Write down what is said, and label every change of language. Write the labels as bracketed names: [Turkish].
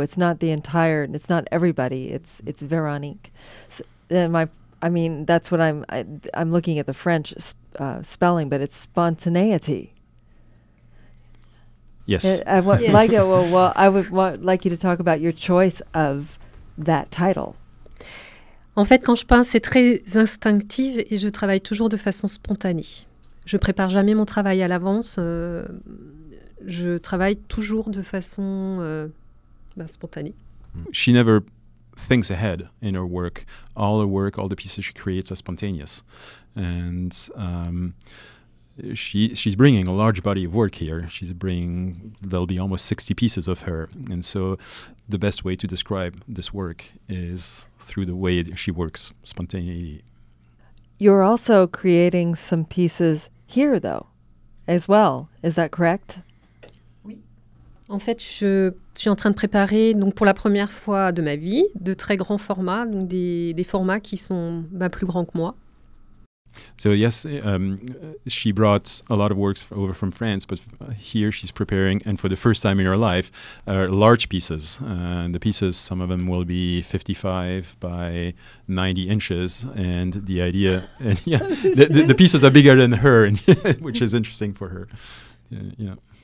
[English] It's not the entire... It's not everybody. It's Véronique. I'm looking at the French spelling, but it's spontaneity. Yes. I would like you to talk about your choice of that title. [French] En fait, quand je peins, c'est très instinctif et je travaille toujours de façon spontanée. Je prépare jamais mon travail à l'avance. Je travaille toujours de façon spontanée. [English] She never thinks ahead in her work. All her work, all the pieces she creates are spontaneous. And she's bringing a large body of work here. She's bringing, there'll be almost 60 pieces of her. And so the best way to describe this work is through the way that she works, spontaneity. You're also creating some pieces here, though, as well. Is that correct? [French] En fait, je suis en train de préparer, donc pour la première fois de ma vie, de très grands formats, donc des formats qui sont plus grands que moi. [English] So yes, she brought a lot of works over from France, but here she's preparing, and for the first time in her life, large pieces. The pieces, some of them will be 55 by 90 inches, and the idea, and yeah, the pieces are bigger than her, and which is interesting for her, yeah.